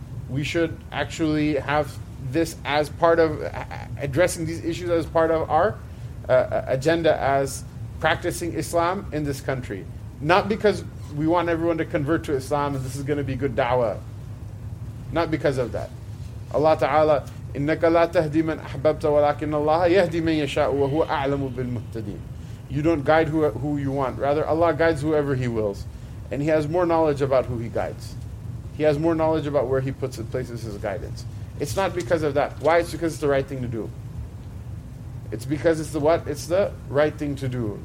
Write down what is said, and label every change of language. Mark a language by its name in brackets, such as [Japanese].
[English] We should actually have this as part of addressing these issues as part of our agenda as practicing Islam in this country. Not because we want everyone to convert to Islam and this is going to be good da'wah. Not because of that. [Arabic] Allah Ta'ala, إِنَّكَ لَا تَهْدِي مَنْ أَحْبَبْتَ وَلَكِنَّ اللَّهَ يَهْدِي مَنْ يَشَاءُ وَهُوَ أَعْلَمُ بِالْمُهْتَدِينَ. [English] You don't guide who you want. Rather, Allah guides whoever He wills. And He has more knowledge about who He guides. He has more knowledge about where He places His guidance. It's not because of that. Why? It's because it's the right thing to do. It's because it's the what? It's the right thing to do.